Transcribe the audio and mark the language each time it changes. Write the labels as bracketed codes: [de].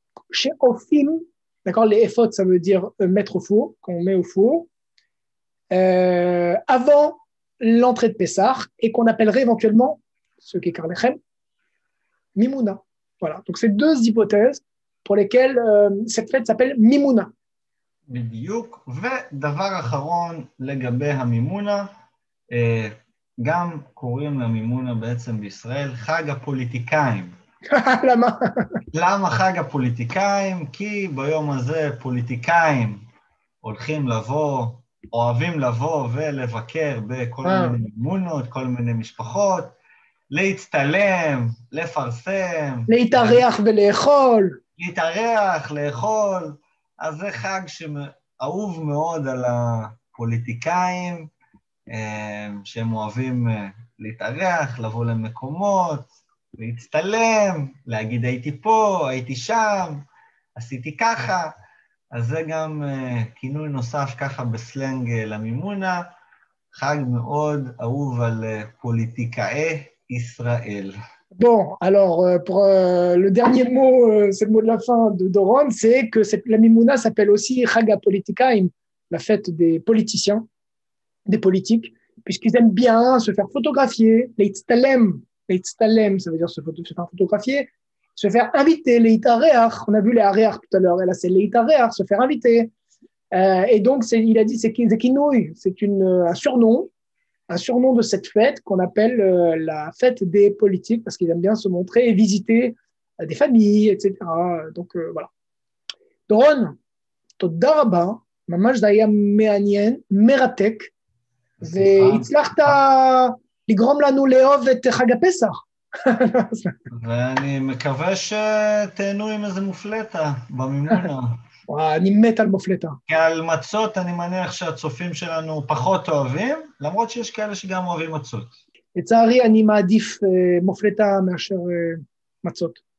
[fr] Chez Ofim, d'accord, les Efot, ça veut dire mettre au four, qu'on met au four, avant l'entrée de Pessah, et qu'on appellerait éventuellement ce Kikar Lechem, Mimouna. Voilà. Donc, c'est deux hypothèses pour lesquelles cette fête s'appelle Mimouna. [he] בדיוק, ודבר אחרון לגבי המימונה, גם קוראים למימונה בעצם בישראל חג הפוליטיקאים. למה? למה חג הפוליטיקאים? כי ביום הזה פוליטיקאים הולכים לבוא, אוהבים לבוא ולבקר בכל מיני מימונות, כל מיני משפחות, להצטלם, לפרסם. להתארח ולאכול. להתארח, לאכול. אז זה חג שאהוב מאוד על הפוליטיקאים, שהם אוהבים להתארח, לבוא למקומות, להצטלם, להגיד הייתי פה, הייתי שם, עשיתי ככה, אז זה גם כינוי נוסף ככה בסלנג למימונה, חג מאוד אהוב על פוליטיקאי ישראל. [fr] Bon, alors, pour le dernier mot, c'est le mot de la fin de Doron, c'est que la Mimouna s'appelle aussi Chag HaPolitikaim, la fête des politiciens. des politiques, puisqu'ils aiment bien se faire photographier, leitztalem, ça veut dire se faire photographier, se faire inviter, leitareach, on a vu les areach tout à l'heure, et là c'est leitareach, se faire inviter. Et donc, il a dit, c'est un surnom de cette fête qu'on appelle la fête des politiques, parce qu'ils aiment bien se montrer et visiter des familles, etc. Donc, voilà. [he] Dron, toda rabba, mamash daya me'anien, meratek, והצלחת לגרום לנו לאהוב את חג הפסח. ואני מקווה שתהנו עם איזה מופלטה במימונה. וואה, אני מת על מופלטה. כי על מצות אני מניח שהצופים שלנו פחות אוהבים, למרות שיש כאלה שגם אוהבים מצות. לצערי אני מעדיף מופלטה מאשר מצות.